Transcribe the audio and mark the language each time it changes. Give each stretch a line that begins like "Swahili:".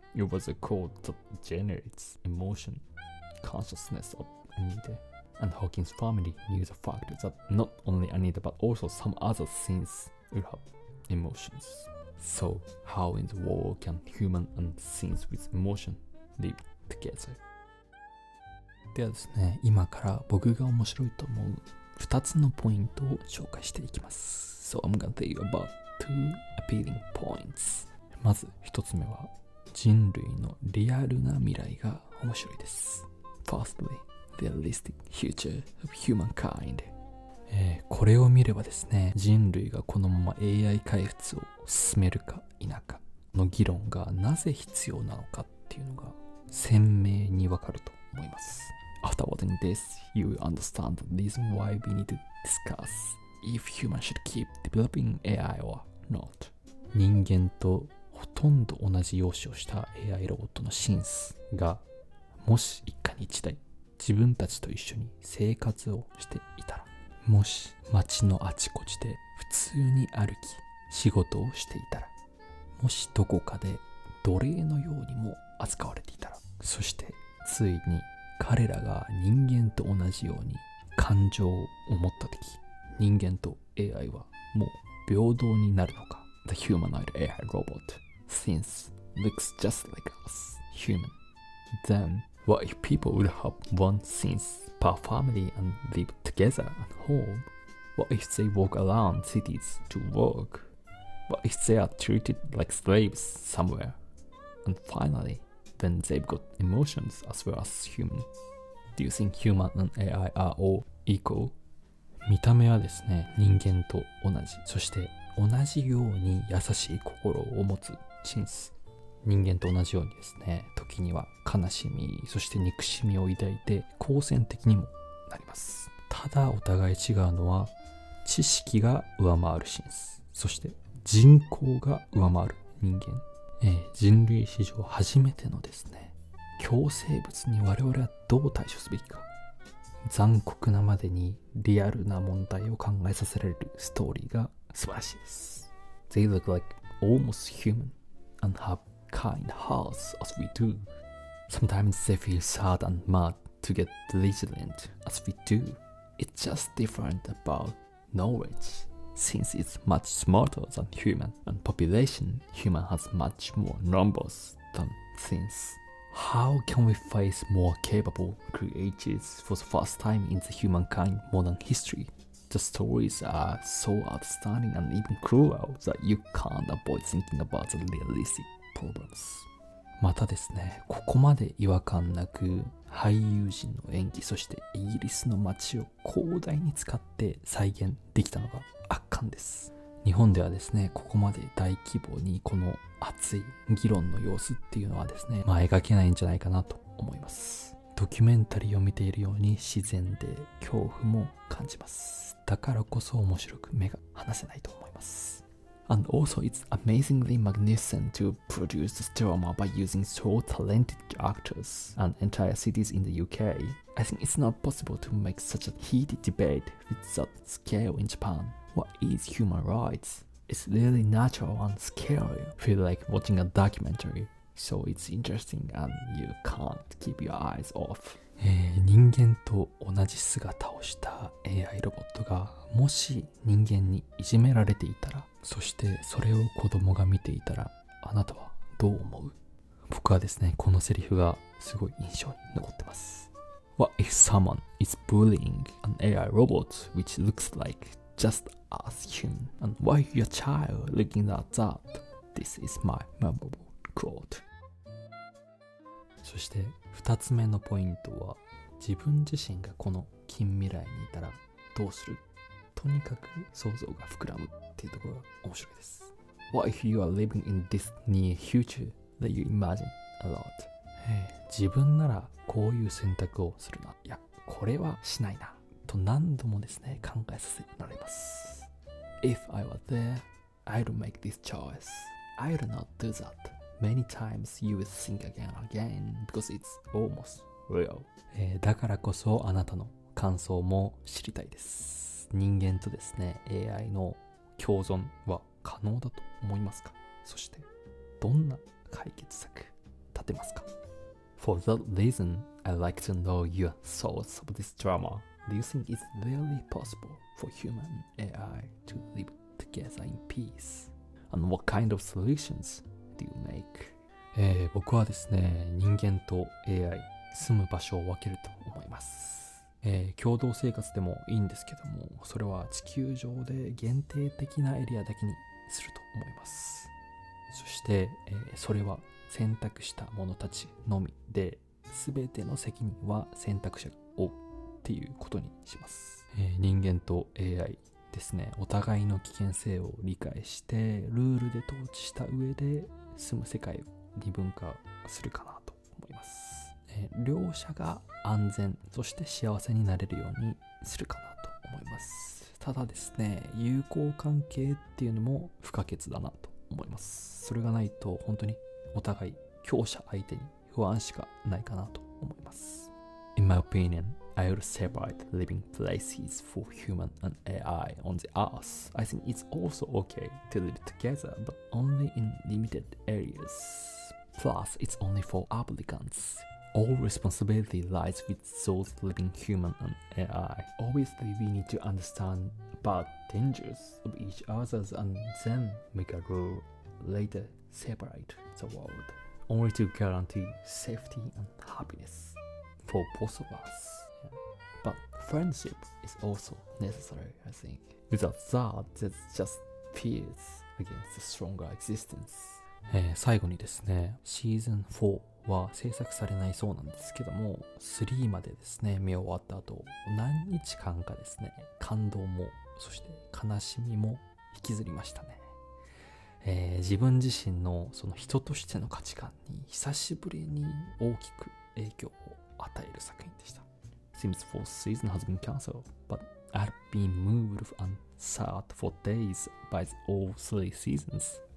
English: It was a code that generates emotion, consciousness of Anita. And Hawkins' family knew the fact that not only Anita but also some other synths will have emotions. So, how in the world can human and synths with emotion live together?
Japanese: ではですね、今から僕が面白いと思う2つのポイントを紹介していきます。
English: So I'm gonna tell you about two appealing points.
Japanese: まず1つ目は人類のリアルな未来が面白いです。
English: Firstly, the realistic future of humankind.
Japanese: これを見ればですね、人類がこのまま AI 開発を進めるか否かの議論がなぜ必要なのかっていうのが鮮明にわかると思います。
English: After watching this, you will understand the reason why we need to discuss if humans should keep developing AI or not.
Japanese: 人間とほとんど同じ容姿をした AI ロボットのシンスがもし一家に一台自分たちと一緒に生活をしていたら、もし街のあちこちで普通に歩き仕事をしていたら、もしどこかで奴隷のようにも扱われていたら、そしてついに彼らが人間と同じように感情を持ったとき、人間と AI はもう平等になるのか。
English: The humanoid AI robot since looks just like us, human. Then, what if people would have one since per family and live together at home? What if they walk around cities to work? What if they are treated like slaves somewhere? And finally,Then they've got emotions as well as human. Do you think human and AI are all equal?
Japanese: 見た目はですね、人間と同じ、そして同じように優しい心を持つチンス。人間と同じようにですね、時には悲しみ、そして憎しみを抱いて好戦的にもなります。ただお互い違うのは、知識が上回るチンス、そして人口が上回る人間。人類史上初めてのですね、共生物に我々はどう対処すべきか、残酷なまでにリアルな問題を考えさせられるストーリーが素晴らしいです。
English: They look like almost human and have kind hearts as we do. Sometimes they feel sad and mad to get diligent as we do. It's just different about knowledgeSince it's much smarter than human and population, human has much more numbers than things. How can we face more capable creatures for the first time in the humankind modern history? The stories are so outstanding and even cruel that you can't avoid thinking about the realistic problems.
Japanese: またですね、ここまで違和感なく俳優陣の演技、そしてイギリスの街を広大に使って再現できたのが圧巻です。日本ではですね、ここまで大規模にこの熱い議論の様子っていうのはですね、まあ描けないんじゃないかなと思います。ドキュメンタリーを見ているように自然で恐怖も感じます。だからこそ面白く目が離せないと思います。
English: And also it's amazingly magnificent to produce this drama by using so talented actors and entire cities in the UK. I think it's not possible to make such a heated debate with that scale in Japan. What is human rights? It's really natural and scary. Feel like watching a documentary. So it's interesting and you can't keep your eyes off.
Japanese: 人間と同じ姿をした AI ロボットがもし人間にいじめられていたら、そしてそれを子供が見ていたらあなたはどう思う？僕はですね、このセリフがすごい印象に残ってます。
English: What if someone is bullying an AI robot which looks like just as human? And why your child looking at that? This is my memorable quote.
Japanese: そして2つ目のポイントは、自分自身がこの近未来にいたらどうする？とにかく想像が膨らむっていうところが面白いです。
English: What if you are living in this near future that you imagine a lot?
Japanese: 自分ならこういう選択をするな、いやこれはしないなと何度もですね考えさせられます。
English: If I were there, I'd make this choice. I'd not do that. Many times you would think again and again because it's almost real.
Japanese: だからこそあなたの感想も知りたいです。人間とですね AI の共存は可能だと思いますか？そしてどんな解決策立てますか？
English: For that reason, I'd like to know your thoughts of this drama. Do you think it's really possible for human AI to live together in peace? And what kind of solutions do you make?
Japanese: 僕はですね、人間と AI 住む場所を分けると思います。共同生活でもいいんですけども、それは地球上で限定的なエリアだけにすると思います。そして、それは選択した者たちのみで、全ての責任は選択者が負うっていうことにします。人間と AI ですね、お互いの危険性を理解してルールで統治した上で住む世界を二分化するかなと思います。両者が安全そして幸せになれるようにするかなと思います。ただですね、友好関係っていうのも不可欠だなと思います。それがないと本当にお互い強者相手に不安しかないかなと思います。
English: In my opinion, I would separate living places for human and AI on the earth. I think it's also okay to live together, but only in limited areas. Plus, it's only for applicants. All responsibility lies with those living human and AI. Obviously, we need to understand about dangers of each other and then make a rule later separate the world. Only to guarantee safety and happiness for both of us. But friendship is also necessary, I think. Without that, there's just fears against the stronger existence.
Japanese: 最後にですね、シーズン4は制作されないそうなんですけども、3までですね見終わった後、何日間かですね感動もそして悲しみも引きずりましたね。自分自身のその人としての価値観に久しぶりに大きく影響を与える作品でした。
English: Seems fourth season has been cancelled, but I've been moved and sad for days by all three seasons.